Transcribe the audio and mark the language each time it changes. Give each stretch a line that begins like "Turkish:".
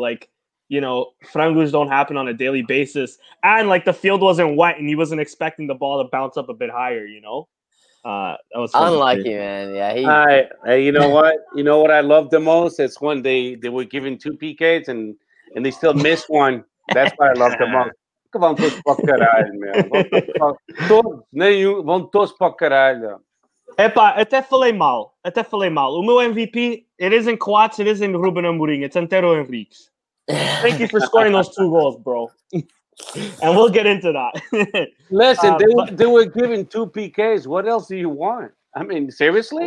English: Like, Frangus don't happen on a daily basis. And like the field wasn't wet and he wasn't expecting the ball to bounce up a bit higher, that was unlucky, man. Yeah, You know what I love the most? It's when they were given two PKs and they still missed one. That's what I love the most.
Portuguese: Que vão todos para o caralho, man. Todos, nenhum, vão todos para o caralho. Epa, até falei mal. O meu
English: MVP, it isn't Coates, it isn't Ruben Amorim, it's Antero Henriques. Thank you for scoring those two goals, bro. And we'll get into that. Listen, they were given two PKs. What else do you want? I mean, seriously?